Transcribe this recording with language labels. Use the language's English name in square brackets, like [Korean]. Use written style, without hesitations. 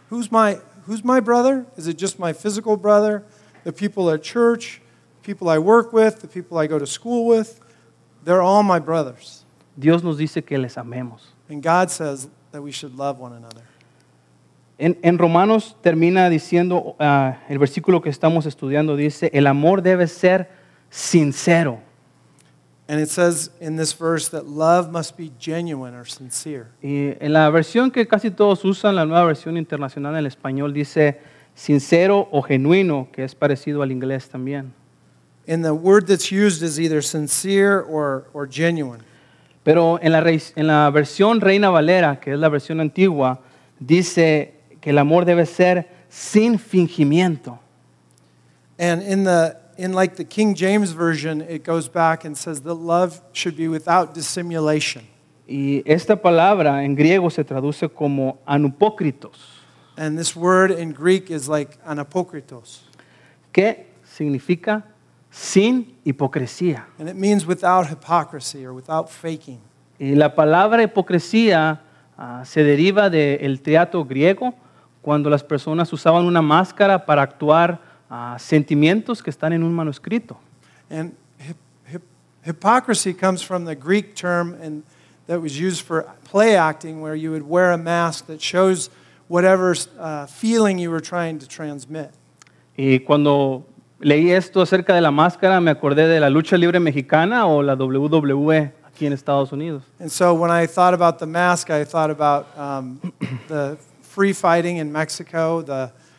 [English] Who's my brother? Is it just my physical brother? The people at church, people I work with, the people I go to school with, they're all my brothers. [Spanish] Dios nos dice que les amemos. [English] And God says that we should love one another. [Spanish] En Romanos termina diciendo, el versículo que estamos estudiando dice, el amor debe ser sincero. [English] And it says in this verse that love must be genuine or sincere. [Spanish] Y en la versión que casi todos usan, la nueva versión internacional en español, dice sincero o genuino, que es parecido al inglés también. [English] And the word that's used is either sincere or genuine. [Spanish] Pero en la versión Reina Valera, que es la versión antigua, dice que el amor debe ser sin fingimiento. [English] And in the King James version, it goes back and says that love should be without dissimulation. [Spanish] Y esta palabra en griego se traduce como anupokritos. [English] And this word in Greek is like anapokritos. [Spanish] ¿Qué significa? Sin hipocresía. [English] And it means without hypocrisy or without faking. [Spanish] Y la palabra hipocresía se deriva del teatro griego, cuando las personas usaban una máscara para actuar sentimientos que están en un manuscrito. [English] And hypocrisy comes from the Greek term and that was used for play acting, where you would wear a mask that shows whatever feeling you were trying to transmit. [Spanish] Y cuando leí esto acerca de la máscara, me acordé de la lucha libre mexicana o la WWE aquí en Estados Unidos. [English] And so when I thought about the mask, I thought about the free fighting in Mexico, the